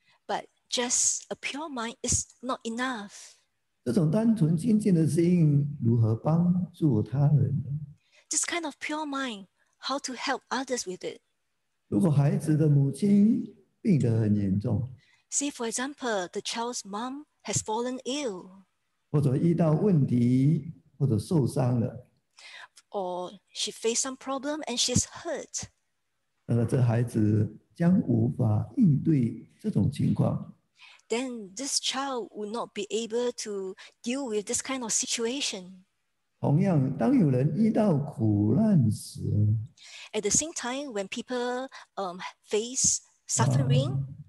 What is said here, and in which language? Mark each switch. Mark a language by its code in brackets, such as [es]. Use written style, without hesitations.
[en] But just a pure mind is not enough. [zh] 这种单纯清净的心如何帮助他人？ [en] This kind of pure mind, how to help others with it? [zh] 如果孩子的母亲病得很严重。 [en] See, for example, the child's mom has fallen ill. [zh] 或者遇到问题，或者受伤了。 [en] Or she faced some problem and she's hurt. [zh] 这孩子将无法应对这种情况。 [en] Then this child would not be able to deal with this kind of situation. [zh] 同样，当有人遇到苦难时， [en] At the same time, when people face suffering,